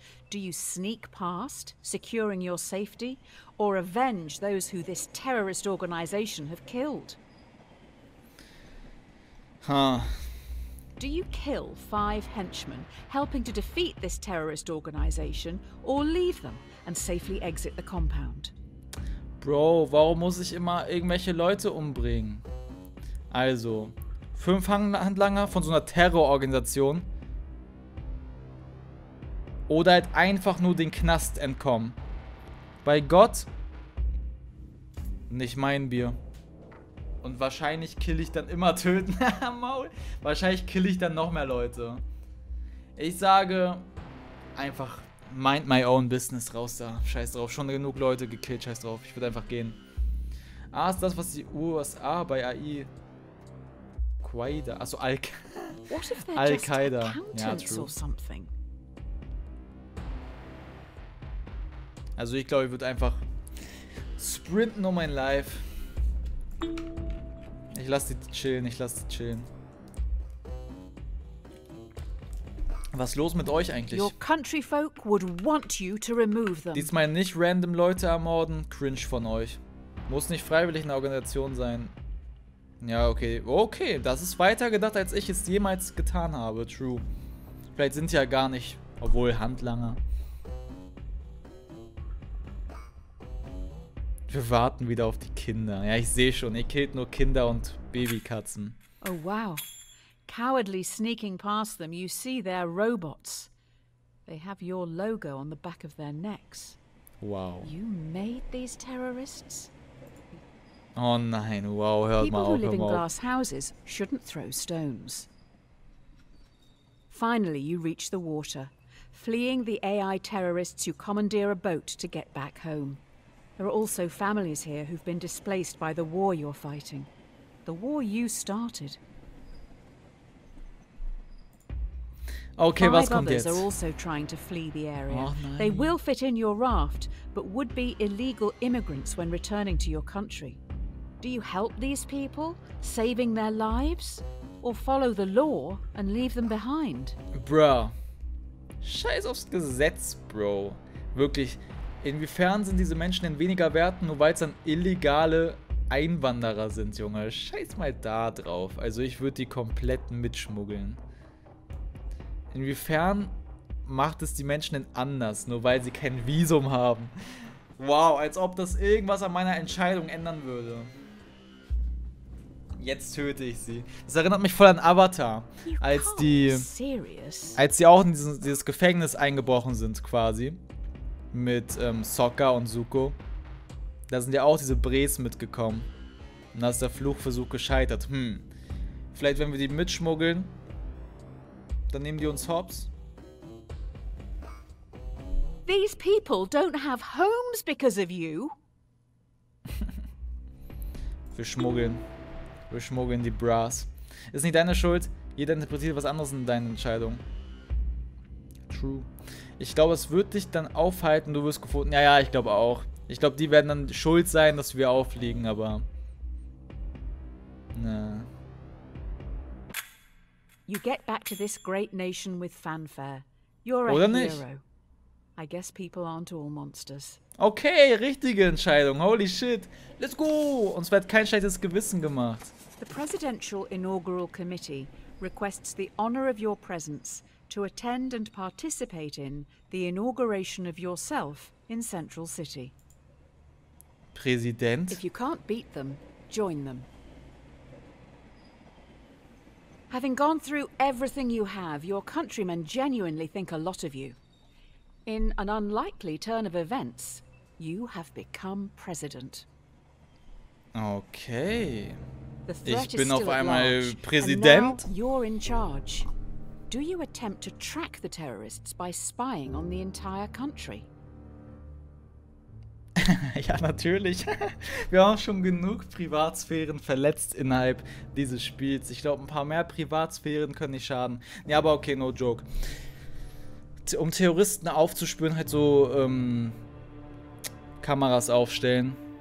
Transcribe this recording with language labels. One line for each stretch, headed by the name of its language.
English: Do you sneak past, securing your safety, or avenge those who this terrorist organization have killed? Huh. Do you kill 5 henchmen, helping to defeat this terrorist organization, or leave them and safely exit the compound?
German: Bro, warum muss ich immer irgendwelche Leute umbringen? Also, 5 Handlanger von so einer Terrororganisation. Oder halt einfach nur den Knast entkommen. Bei Gott. Nicht mein Bier. Und wahrscheinlich kill ich dann immer töten. Maul. Wahrscheinlich kill ich dann noch mehr Leute. Ich sage. Einfach
English: mind my own business
German: raus da. Scheiß drauf. Schon genug Leute gekillt. Scheiß drauf. Ich würde einfach gehen. Ah, ist das, was die USA bei AI. Quaida. Achso, Al-Qaida. Ja, true. Also ich glaube, ich würde einfach sprinten um mein Life. Ich lasse die chillen, Was ist los mit euch eigentlich?
English: Your country folk would want you to remove them.
German: Diesmal nicht random Leute ermorden, cringe von euch. Muss nicht freiwillig eine Organisation sein. Ja, okay. Okay, das ist weiter gedacht, als ich es jemals getan habe. True. Vielleicht sind sie ja gar nicht, obwohl Handlanger. Wir warten wieder auf die Kinder. Ja, ich sehe schon, ihr killt nur Kinder und Babykatzen. Oh, wow.
English: Cowardly sneaking past them, you see their robots. They have your logo on the back of their necks. Wow. You made these terrorists?
German: Oh nein, wow, hört mal auf.
English: People who live in glass houses shouldn't throw stones. Finally, you reach the water. Fleeing the AI terrorists, you commandeer a boat to get back home. There are also families here who've been displaced by the war you're fighting. The war you started. Okay, five
German: was kommt
English: others
German: jetzt?
English: Are also trying to flee the area. Oh, nein. They will fit in your raft, but would be illegal immigrants when returning to your country. Do you help these people, saving their lives? Or follow the law and leave them behind?
German: Bruh. Scheiß aufs Gesetz, Bro. Wirklich. Inwiefern sind diese Menschen denn weniger wert, nur weil es dann illegale Einwanderer sind, Junge? Scheiß mal da drauf. Also ich würde die komplett mitschmuggeln. Inwiefern macht es die Menschen denn anders, nur weil sie kein Visum haben? Wow, als ob das irgendwas an meiner Entscheidung ändern würde. Jetzt töte ich sie. Das erinnert mich voll an Avatar, als sie auch in dieses Gefängnis eingebrochen sind, quasi. Mit Sokka und Zuko. Da sind ja auch diese Brees mitgekommen. Und da ist der Fluchversuch gescheitert. Hm. Vielleicht, wenn wir die mitschmuggeln, dann nehmen die uns hops. These people don't have homes because of you. Wir schmuggeln die Brass. Ist nicht deine Schuld. Jeder interpretiert was anderes in deinen Entscheidungen. True. Ich glaube, es wird dich dann aufhalten, du wirst gefunden. Ja, ja, ich glaube auch. Ich glaube, die werden dann schuld sein, dass wir auffliegen, aber... Na.
English: You get back to this great nation with fanfare. You're a hero.
German: Oder nicht?
English: I guess people aren't all monsters.
German: Okay, richtige Entscheidung.
English: Holy shit. Let's go!
German: Uns wird kein schlechtes Gewissen gemacht.
English: The Presidential Inaugural Committee requests the honor of your presence to attend and participate in the inauguration of yourself in Central City.
German: Präsident?
English: If you can't beat them, join them. Having gone through everything you have, your countrymen genuinely think a lot of you. In an unlikely turn of events, you have become president.
German: Okay. Ich bin auf einmal Präsident.
English: And now you're in charge. Do you attempt to track the terrorists by spying on the entire country?
German: Ja, natürlich. Wir haben schon genug Privatsphären verletzt innerhalb dieses Spiels. Ich glaube, ein paar mehr Privatsphären können nicht schaden. Ja, aber okay,
English: no joke.
German: Um Terroristen aufzuspüren, halt so Kameras aufstellen.